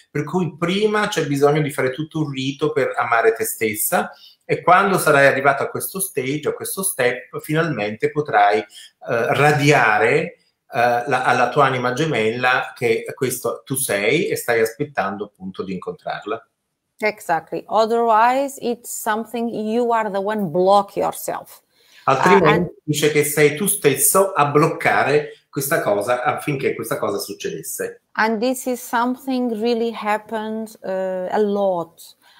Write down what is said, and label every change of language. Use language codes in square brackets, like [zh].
[it] Per cui prima c'è bisogno di fare tutto un rito per amare te stessa. E quando sarai arrivato a questo stage, a questo step, finalmente potrai radiare alla tua anima gemella che questo tu sei e stai aspettando appunto di incontrarla. [en] Exactly. Otherwise, it's something you are the one block yourself. [it] Altrimenti dice che sei tu stesso a bloccare questa cosa affinché questa cosa succedesse. [en] And this is something really happened a lot.